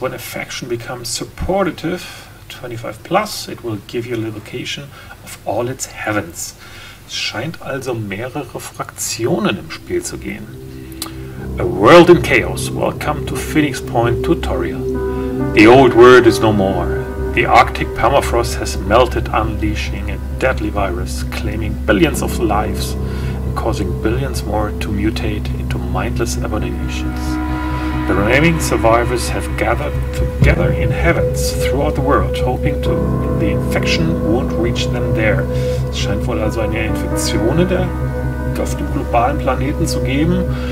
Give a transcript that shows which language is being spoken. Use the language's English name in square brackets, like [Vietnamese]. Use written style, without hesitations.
[English] When a faction becomes supportive, 25+, it will give you a location of all its heavens. [German] Es scheint also mehrere Fraktionen im Spiel zu gehen. [English] A world in chaos. Welcome to Phoenix Point Tutorial. The old world is no more. The Arctic permafrost has melted, unleashing a deadly virus, claiming billions of lives and causing billions more to mutate into mindless abominations. The remaining survivors have gathered together in heavens throughout the world, hoping to the infection won't reach them there. [German] Es scheint wohl also eine Infektion auf dem globalen Planeten zu geben.